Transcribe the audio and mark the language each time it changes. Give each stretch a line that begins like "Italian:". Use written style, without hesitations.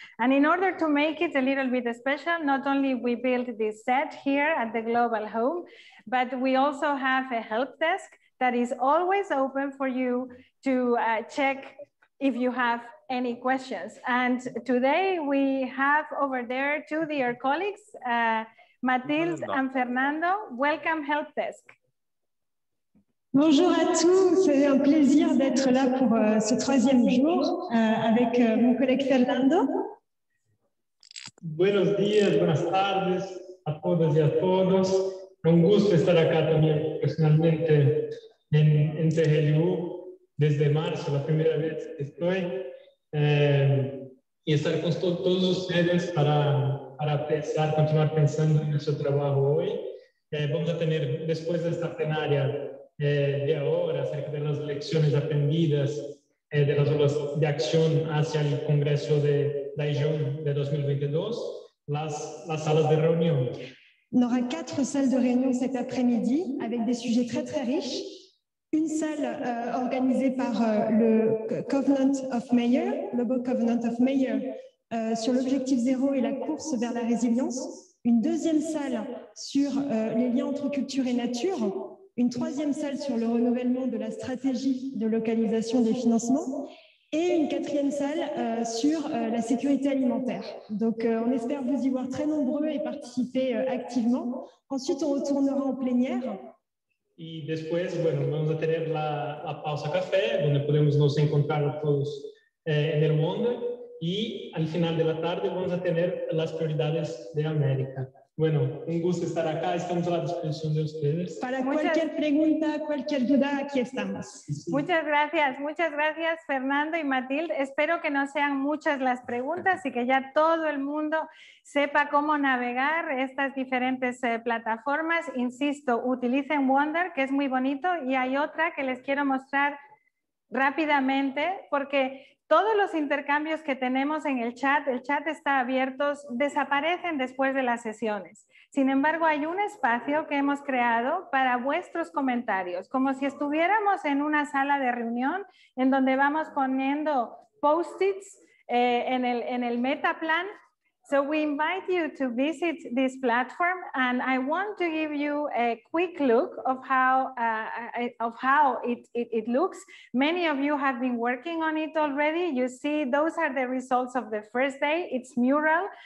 English: And in order to make it a little bit special, not only we built this set here at the Global Home, but we also have a help desk that is always open for you to check if you have any questions. And today we have over there two dear colleagues, Mathilde and Fernando. Welcome, help desk.
French: Bonjour à tous, c'est un plaisir d'être là pour ce troisième jour avec mon collègue Fernando.
Spanish: Buenos días, buenas tardes a todas y a todos. Un gusto estar acá también personalmente en TGLU desde marzo, la primera vez que estoy, y estar con todos ustedes para pensar, continuar pensando en nuestro trabajo hoy. Vamos a tener, después de esta plenaria, de ahora, acerca de las lecciones aprendidas de las obras de acción hacia el Congreso de la IJUN de 2022, las salas de reunión.
French: On aura quatre salles de réunion cet après-midi avec des sujets très très riches. Une salle organisée par le Covenant of Mayor, Global Covenant of Mayor, sur l'objectif zéro et la course vers la résilience. Une deuxième salle sur les liens entre culture et nature. Une troisième salle sur le renouvellement de la stratégie de localisation des financements et une quatrième salle sur la sécurité alimentaire. Donc on espère vous y voir très nombreux et participer activement. Ensuite, on retournera en plénière.
Spanish: Y después, bueno, vamos a tener la pausa café, donde podemos nos encontrar todos en el mundo. Y al final de la tarde vamos a tener las prioridades de América. Bueno, un gusto estar acá. Estamos a la disposición de ustedes. Para cualquier pregunta, cualquier duda, aquí estamos. Muchas gracias, Fernando y Mathilde. Espero que no sean muchas las preguntas y que ya todo el mundo sepa cómo navegar estas diferentes plataformas. Insisto, utilicen Wonder, que es muy bonito, y hay otra que les quiero mostrar rápidamente, porque todos los intercambios que tenemos en el chat está abierto, desaparecen después de las sesiones. Sin embargo, hay un espacio que hemos creado para vuestros comentarios, como si estuviéramos en una sala de reunión en donde vamos poniendo post-its en el metaplan.
English: So we invite you to visit this platform, and I want to give you a quick look of how it looks. Many of you have been working on it already. You see, those are the results of the first day. It's mural.